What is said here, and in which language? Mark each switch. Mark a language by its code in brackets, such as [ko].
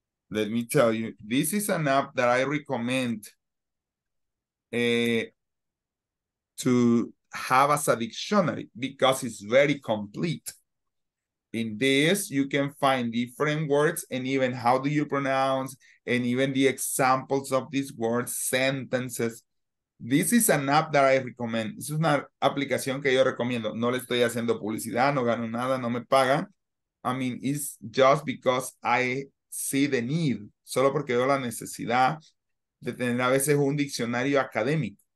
[en] Let me tell you, this is an app that I recommend to have as a dictionary because it's very complete. In this, you can find different words and even how do you pronounce and even the examples of these words, sentences. This is an app that I recommend. [es] Es una aplicación que yo recomiendo. No le estoy haciendo publicidad, no gano nada, no me pagan. [en] I mean, it's just because I see the need. [es] Solo porque veo la necesidad de tener a veces un diccionario académico.